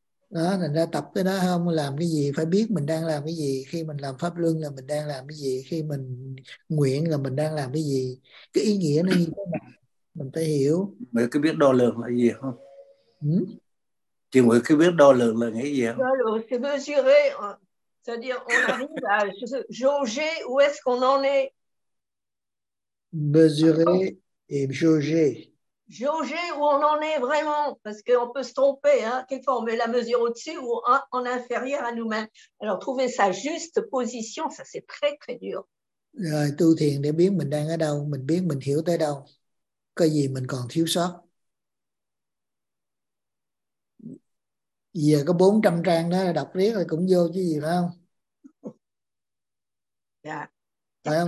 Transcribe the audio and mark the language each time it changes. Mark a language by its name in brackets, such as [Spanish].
[Vietnamese] Đó, thành ra tập cái đó không, làm cái gì phải biết mình đang làm cái gì. Khi mình làm pháp luân là mình đang làm cái gì. Khi mình nguyện là mình đang làm cái gì. Cái ý nghĩa nó như thế nào, mình phải hiểu. Mình có biết đo lường là gì không? Chị Nguyễn có biết đo lường là nghĩa gì không? [French] Đo lường, c'est mesurer. C'est-à-dire, on arrive à jauger où est-ce qu'on en est. Mesurer et jauger. Jauger où on en est vraiment, parce qu'on peut se tromper, hein, quelquefois on met la mesure au-dessus ou en inférieur à nous-mêmes. Alors trouver sa juste position, ça c'est très très dur. [Vietnamese] Rồi, tu thiền để biết mình đang ở đâu, mình biết mình hiểu tới đâu, có gì mình còn thiếu sót. Giờ có 400 trang đó, đọc riết là cũng vô chứ gì, phải không? Dạ. Phải không?